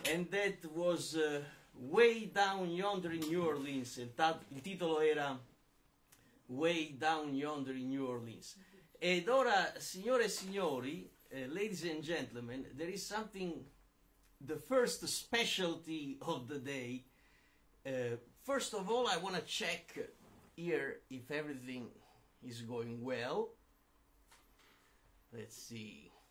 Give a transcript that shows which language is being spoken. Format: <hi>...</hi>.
<en>that was Way Down Yonder in New Orleans.</en> <it>Il titolo era Way Down Yonder in New Orleans. Ed ora, signore e signori,</it> <en>ladies and gentlemen, there is something, the first specialty of the day. First of all, I want to check here if everything is going well. Let's see.</en>